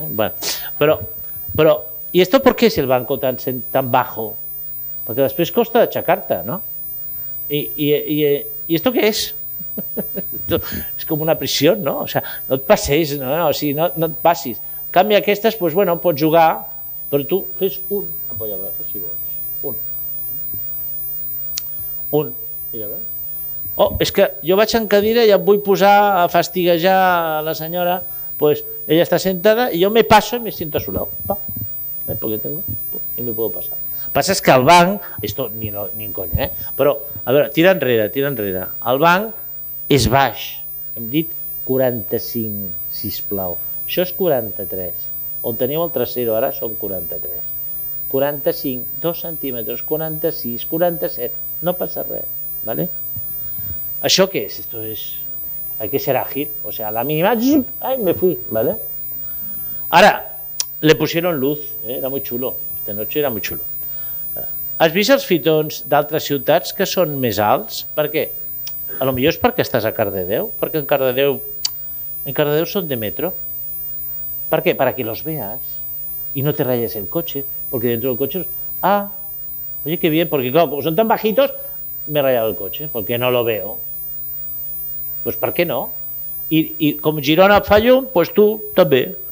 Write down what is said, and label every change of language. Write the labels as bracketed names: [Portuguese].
[Spanish] Bueno, però, ¿y esto por qué es el banco tan bajo? [Catalan] Perquè després costa aixecar-te, no? [Spanish] ¿Y esto qué es? Esto es como una prisión, ¿no? [Catalan] O sea, no et passeis, no et passis. En canvi, aquestes, pues bueno, pots jugar, però tu fes un apoyabrazo, si vols. Un. Un. Mira, veus? Oh, és que jo vaig en cadira i em vull posar a fastiguejar la senyora, pues ella està sentada i jo me passo i [Spanish] me siento a su lado. [Catalan] Pa. [Spanish] Porque tengo, y me puedo pasar. [Catalan] Passa que el banc, esto ni en conya, però, a veure, tira enrere. El banc és baix, hem dit 45, sisplau. Això és 43, on teniu el trasero ara són 43. 45, 2 centímetres, 46, 47, no passa res, ¿vale? Això què és? [Spanish] Esto es... Hay que ser ágil, o sea, la mínima, ay, me fui, ¿vale? Ara, le pusieron luz, era muy chulo, esta noche era muy chulo. [Catalan] Has vist els fitons d'altres ciutats que són més alts? Per què? A lo millor és perquè estàs a Cardedeu, perquè en Cardedeu són de metro. Per què? [Spanish] Para que los veas y no te rayes el coche, porque dentro del coche, oye, qué bien, porque claro, como son tan bajitos, me he rayado el coche, porque no lo veo. [Catalan] Pues per què no? I com Girona fa llum, pues tu també.